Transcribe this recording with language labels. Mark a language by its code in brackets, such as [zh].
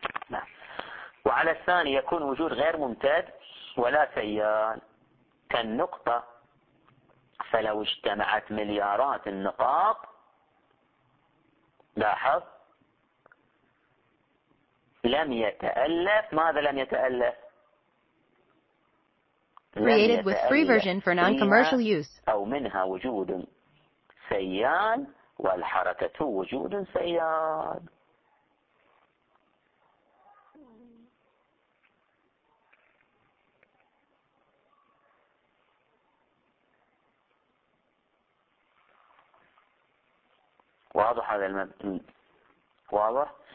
[ar] نعم وعلى الثاني يكون وجود غير ممتد ولا سيار كالنقطة فلو اجتمعت مليارات النقاط لاحظ لم يتألف ماذا لم يتألف [en] created with free version for non-commercial use [ar] او منها وجود سيال والحركة وجود سيال واضح هذا المبدأ واضح